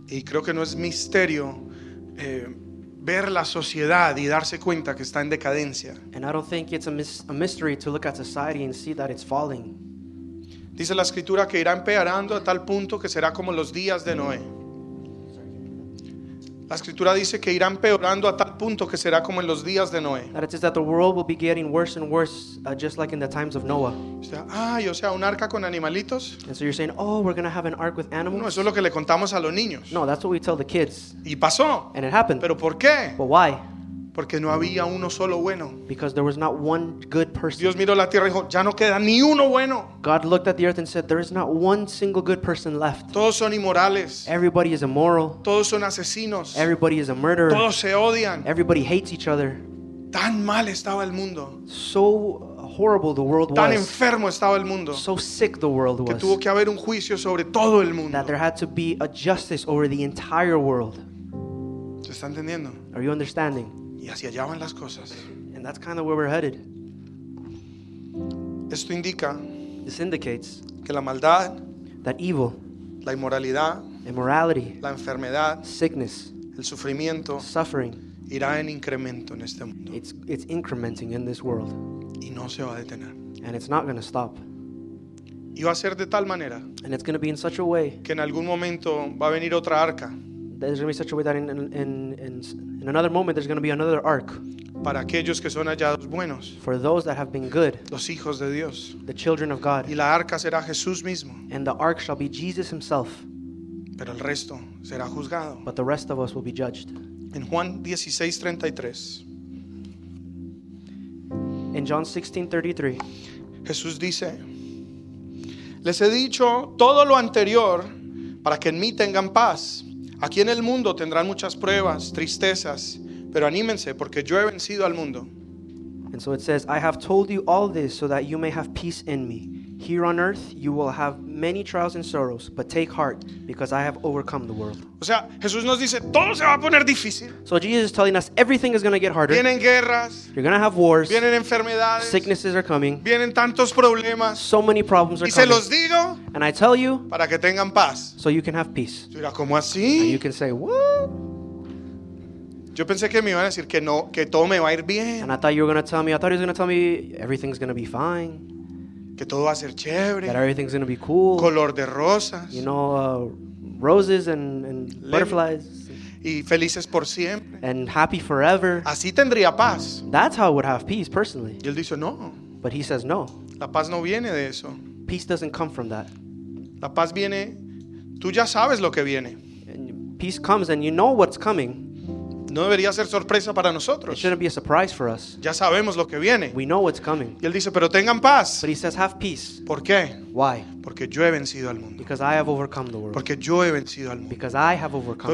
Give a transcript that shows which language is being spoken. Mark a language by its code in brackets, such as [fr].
[es] Y creo que no es misterio, ver la sociedad y darse cuenta que está en decadencia. [en] And I don't think it's a mystery to look at society and see that it's falling. [es] Dice la escritura que irá empeorando a tal punto que será como los días de Noé. La escritura dice que irá empeorando a tal punto que será como en los días de Noé. [en] That it says that the world will be getting worse and worse, just like in the times of Noah. [es] O sea, ay, o sea, un arca con animalitos. [en] And so you're saying, oh, we're going to have an ark with animals. [es] No, eso es lo que le contamos a los niños. [en] No, that's what we tell the kids. [es] Y pasó. [en] And it happened. [es] Pero ¿por qué? [en] But why? [es] Porque no había uno solo bueno. [en] Because there was not one good person. [es] Dios miró la tierra y dijo, ya no queda ni uno bueno. [en] God looked at the earth and said, there is not one single good person left. [es] Todos son inmorales. [en] Everybody is immoral. [es] Todos son asesinos. [en] Everybody is a murderer. [es] Todos se odian. [en] Everybody hates each other. [es] Tan mal estaba el mundo. [en] So horrible the world [es] tan Tan enfermo estaba el mundo. [en] So sick the world [es] que [en] was. [es] Que tuvo que haber un juicio sobre todo el mundo. [en] That there had to be a justice over the entire world. [es] ¿Se está entendiendo? [en] Are you understanding? [es] Y hacia allá van las cosas. [en] And that's kind of where we're headed. [es] Esto indica, [en] this indicates, [es] que la maldad, [en] that evil, [es] la inmoralidad, [en] immorality, [es] la enfermedad, [en] sickness, [es] el sufrimiento, [en] suffering, [es] irá en incremento en este mundo. [en] It's incrementing in this world. [es] Y no se va a detener. [en] And it's not going to stop. [es] Y va a ser de tal manera, [en] and it's going to be in such a way, [es] que en algún momento va a venir otra arca. [en] There's going to be such a way that in another moment there's going to be another ark. [es] Para aquellos que son hallados buenos. [en] For those that have been good. [es] Los hijos de Dios. [en] The children of God. [es] Y la arca será Jesús mismo. [en] And the ark shall be Jesus himself. [es] Pero el resto será juzgado. [en] But the rest of us will be judged. [es] En Juan 16:33. [en] In John 16:33. [es] Jesús dice, les he dicho todo lo anterior para que en mí tengan paz. Aquí en el mundo tendrán muchas pruebas, tristezas, pero anímense porque yo he vencido al mundo. [en] And so it says, I have told you all this so that you may have peace in me. Here on earth you will have many trials and sorrows, but take heart because I have overcome the world. [es] O sea, Jesús nos dice, todo se va a poner difícil. [en] So Jesus is telling us everything is going to get harder. [es] Vienen guerras. [en] You're going to have wars. [es] Vienen enfermedades. [en] Sicknesses are coming. [es] Vienen tantos problemas. [en] So many problems are [es] y [en] coming. [es] Y se los digo. [en] And I tell you. [es] Para que tengan paz. [en] So you can have peace. [es] Mira, ¿cómo así? [en] And you can say, what? [es] Yo pensé que me iban a decir que no, que todo me va a ir bien. [en] And I thought you were going to tell me. I thought he was going to tell me everything's going to be fine. [es] Que todo va a ser chévere. [en] That everything's going to be cool. [es] Color de rosas. [en] You know, roses and butterflies. [es] Y felices por siempre. [en] And happy forever. [es] Así tendría paz. [en] That's how I would have peace, personally. [es] Y él dice no. [en] But he says no. [es] La paz no viene de eso. [en] Peace doesn't come from that. [es] La paz viene, tú ya sabes lo que viene. [en] And peace comes and you know what's coming. [es] No debería ser sorpresa para nosotros. [en] It shouldn't be a surprise for us. [es] Ya sabemos lo que viene. [en] We know what's coming. [es] Y él dice, pero tengan paz. [en] But he says, have peace. [es] ¿Por qué? [en] Why? [es] Porque yo he vencido al mundo. [en] Because I have overcome the world. [es] Porque yo he vencido al mundo. [en] Because I have overcome